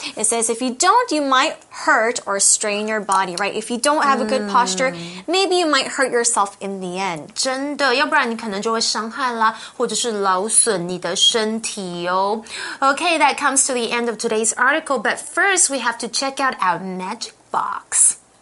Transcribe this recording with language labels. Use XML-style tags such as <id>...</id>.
<en>It says if you don't, you might hurt or strain your body, right? If you don't have a good posture, maybe you might hurt yourself in the end.</en> <zh>真的，要不然你可能就会伤害啦，或者是劳损你的身体哦。</zh> <en>Okay, that comes to the end of today's article, but first we have to check out our magic box.</en>